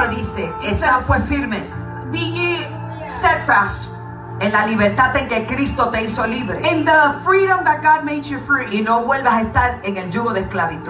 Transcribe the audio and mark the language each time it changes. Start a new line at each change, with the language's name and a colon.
Spanish: que dice, estad pues firmes,
English: be ye steadfast,
Spanish: en la libertad en que Cristo te hizo libre,
English: in the freedom that God made you free,
Spanish: y no vuelvas a estar en el yugo de esclavitud.